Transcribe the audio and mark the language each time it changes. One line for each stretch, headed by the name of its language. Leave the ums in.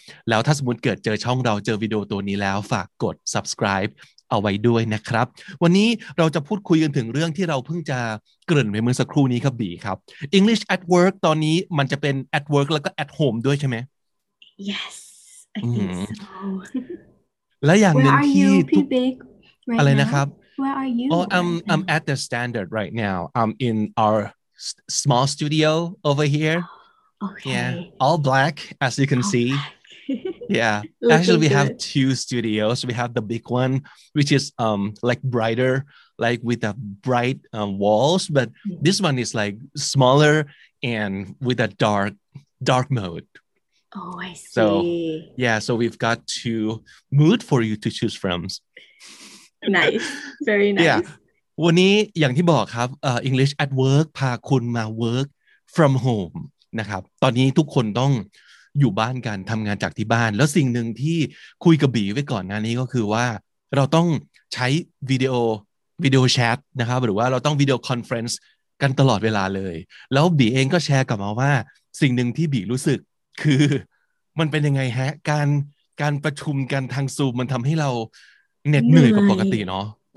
Thai: แล้วถ้าสมมติเกิดเจอช่องเราเจอวิดีโอตัวนี้แล้วฝากกด subscribe เอาไว้ด้วยนะครับ วันนี้เราจะพูดคุยกันถึงเรื่องที่เราเพิ่งจะเกริ่นไปเมื่อสักครู่นี้ครับบีครับ English at work ตอนนี้มันจะเป็น at work แล้วก็ at home ด้วยใช่ไหม
English: Yes I think so
Thai: และอย่างหนึ่งที่
English: big right
Thai: อะไรนะครับ
English: Where are you? Oh, I'm I'm at the standard right now. I'm in our small studio over here. Okay. Yeah, all black, as you can all see. yeah, Looking actually, we good. have two studios. We have the big one, which is um like brighter, like with a bright um, walls, but mm -hmm. this one is like smaller and with a dark dark mode. Oh, I see. So, yeah, so we've got two mood for you to choose from. nice, very nice. Yeah.
Thai: วันนี้อย่างที่บอกครับ uh, English at work พาคุณมา
English: work from home
Thai: นะครับ ตอนนี้ทุกคนต้องอยู่บ้านกันทํางานจากที่บ้าน แล้วสิ่งหนึ่งที่คุยกับบีไว้ก่อนงานนี้ก็คือว่า เราต้องใช้วิดีโอวิดีโอแชทนะครับ หรือว่าเราต้องวิดีโอคอนเฟรนซ์กันตลอดเวลาเลย แล้วบีเองก็แชร์กลับมาว่าสิ่งหนึ่งที่บีรู้สึกคือมันเป็นยังไงฮะการการประชุมกันทางซูมมันทําให้เรา เหน็ดเหนื่อยกว่าปกติเนาะ